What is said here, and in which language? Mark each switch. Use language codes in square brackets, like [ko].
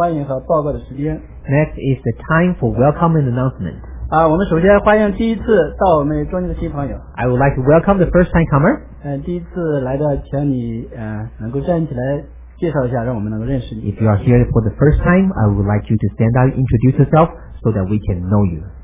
[en] Next is the time for welcome and announcement. [zh] 我们首先欢迎第一次到我们中心的新朋友。 [en] I would like to welcome the first time comer. [zh] 第一次来的，请你能够站起来介绍一下，让我们能够认识你。 [en] If you are here for the first time, I would like you to stand up, introduce yourself, so that we can know you.